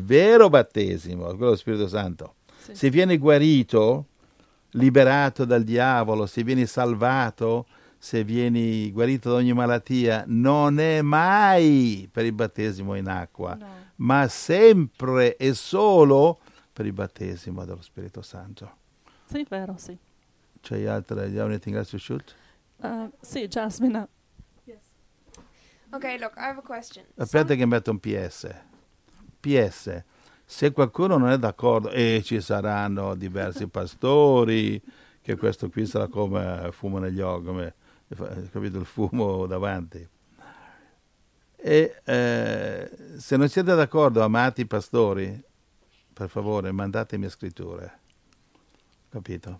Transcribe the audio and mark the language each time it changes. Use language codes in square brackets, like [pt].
[it] Il vero battesimo, quello dello Spirito Santo. Sì. Se viene guarito, liberato dal diavolo, se vieni salvato, se vieni guarito da ogni malattia, non è mai per il battesimo in acqua. No. Ma sempre e solo per il battesimo dello Spirito Santo. Sì, vero, sì. C'è altre? [en] Do you have anything else to shoot? [it] Sì, Jasmine. Yes. [en] Ok, look, I have a question. [it] Aspetta che metto un PS. PS. Se qualcuno non è d'accordo, e ci saranno diversi pastori, che questo qui sarà come fumo negli occhi, come, capito, il fumo davanti. E se non siete d'accordo, amati pastori, per favore mandatemi scritture, capito?